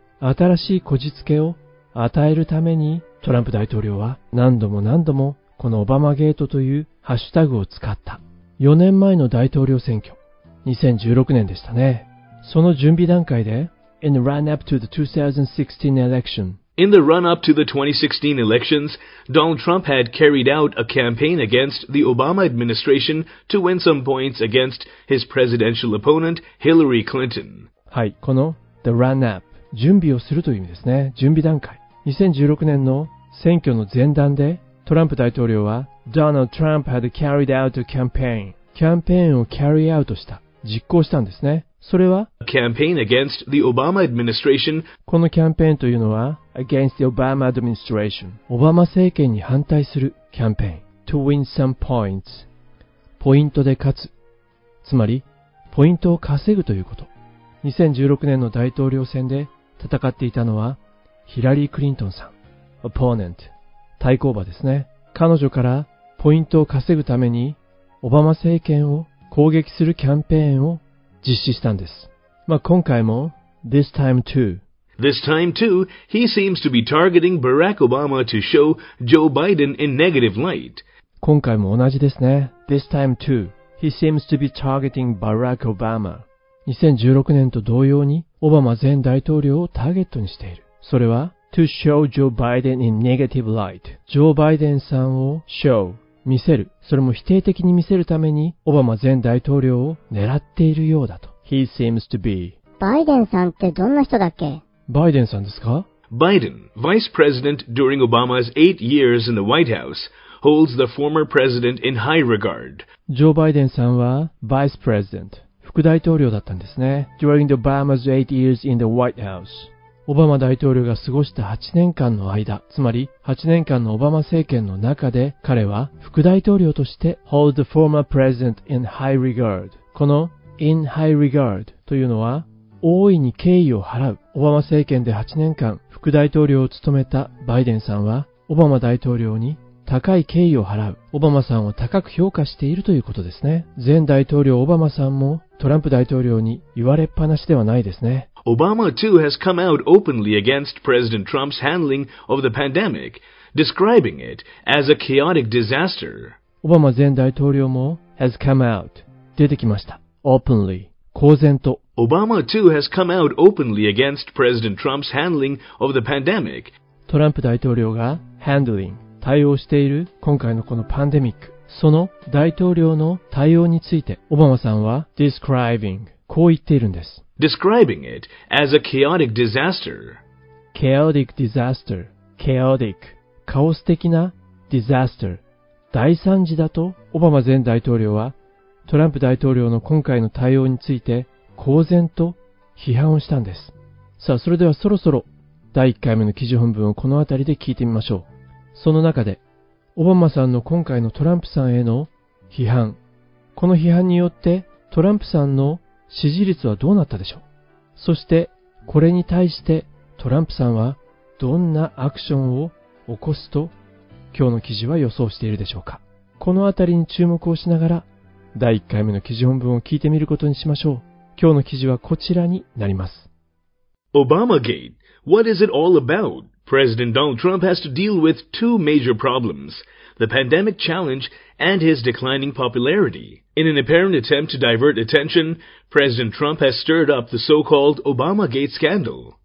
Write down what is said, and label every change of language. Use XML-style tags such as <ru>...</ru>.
<ja>新しいこじつけを与えるために、トランプ大統領は何度も何度もこのオバマゲートというハッシュタグを使った。 4年前の大統領選挙、2016年でしたね。その準備段階で、</ja> <en>in the run-up to the 2016 election, In the run-up to the 2016 elections, Donald Trump had carried out a campaign against the Obama administration to win some points against his presidential opponent, Hillary Clinton.</en> <ja>はい、この</ja> <en>the run-up、</en> <ja>準備をするという意味ですね。準備段階。 2016年の選挙の前段で、トランプ大統領は</ja> <en>Donald Trump had carried out a campaign。</en> <ja>キャンペーンを</ja> <en>carry out</en> <ja>した。実行したんですね。それは</ja> <en>A campaign against the Obama administration.</en> <ja>このキャンペーンというのは</ja> <en>against the Obama administration.</en> <ja>オバマ政権に反対するキャンペーン。</ja> <en>to win some points.</en> <ja>ポイントで勝つ。つまり、ポイントを稼ぐということ。2016年の大統領選で戦っていたのはヒラリー・クリントンさん。</ja> <en>opponent.</en> <ja>対抗馬ですね。彼女からポイントを稼ぐためにオバマ政権を攻撃するキャンペーンを実施したんです。まあ、今回も、</ja> <en>this time too。 This time too, he seems to be targeting Barack Obama to show Joe Biden in negative light.</en> <ja>今回も同じですね。</ja> <en>This time too, he seems to be targeting Barack Obama.</en> <ja>2016年と同様に、オバマ前大統領をターゲットにしている。それは、</ja> <en>to show Joe Biden in negative light。</en> <ja>Joe Biden さんを show。見せる。それも否定的に見せるために、オバマ前大統領を狙っているようだと。</ja> <en>He seems to be.</en> <ja>バイデンさんってどんな人だっけ？バイデンさんですか？</ja> <en>バイデン、Vice President during Obama's 8 years in the White House, holds the former president in high regard.</en> <ja>ジョー・バイデンさんは、</ja> <en>Vice President、</en> <ja>副大統領だったんですね。</ja> <en>During Obama's 8 years in the White House。</en> <ja>オバマ大統領が過ごした8年間の間、つまり8年間のオバマ政権の中で、彼は副大統領として、</ja> <en>hold the former president in high regard。</en> <ja>この</ja> <en>in high regard</en> <ja>というのは、大いに敬意を払う。オバマ政権で8年間副大統領を務めたバイデンさんは、オバマ大統領に高い敬意を払う。オバマさんを高く評価しているということですね。前大統領オバマさんもトランプ大統領に言われっぱなしではないですね。</ja> <en>Obama too has come out openly against President Trump's handling of the pandemic, describing it as a chaotic disaster.</en> <ja>オバマ前大統領も</ja> <en>has come out</en> <ja>出てきました。</ja> <en>openly</en> <ja>公然と。</ja> <en>Obama too has come out openly against President Trump's handling of the pandemic.</en> <ja>トランプ大統領が</ja> <en>handling</en> <ja>対応している今回のこのパンデミック、その大統領の対応についてオバマさんは</ja> <en>describing</en> <ja>こう言っているんです。</ja> <en>Describing it as a chaotic disaster. Chaotic disaster. Chaotic.</en> <ja>カオス的な</ja> <en>disaster.</en> <ja>大惨事だと、オバマ前大統領は、トランプ大統領の今回の対応について、公然と批判をしたんです。さあ、それではそろそろ、第1回目の記事本文をこのあたりで聞いてみましょう。その中で、オバマさんの今回のトランプさんへの批判。この批判によって、トランプさんの支持率はどうなったでしょう。そしてこれに対してトランプさんはどんなアクションを起こすと今日の記事は予想しているでしょうか。このあたりに注目をしながら第1回目の記事本文を聞いてみることにしましょう。今日の記事はこちらになります。</ja> <en>Obamagate, what is it all about? President Donald Trump has to deal with two major problems, the pandemic challenge and his declining popularity. In an apparent attempt to divert attention, President Trump has stirred up the so-called Obamagate scandal.</en>